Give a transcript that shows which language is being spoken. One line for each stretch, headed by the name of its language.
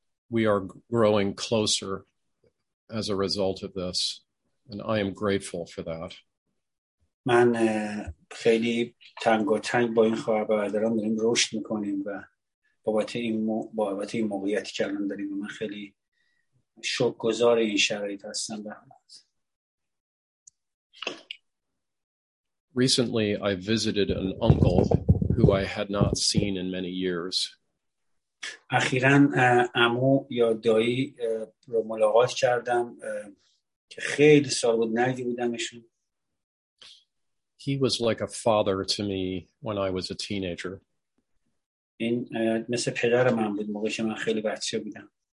English: We are growing closer as a result of this, and I am grateful for that.
Persian: من خیلی تنگ و تنگ با این خواهر برادران داریم رشد میکنیم و بابت این موقعیتی که الان داریم من خیلی شکرگزار این شرایط هستم به همه.
English: Recently I visited an uncle who I had not seen in many years.
Persian: اخیراً عمو یا دایی رو ملاقات کردم که خیلی سال بود ندیدمشون.
English: He was like a father to me when I was a teenager.
Persian: این مثل پدر من بود موقعی که من خیلی بچه بودم.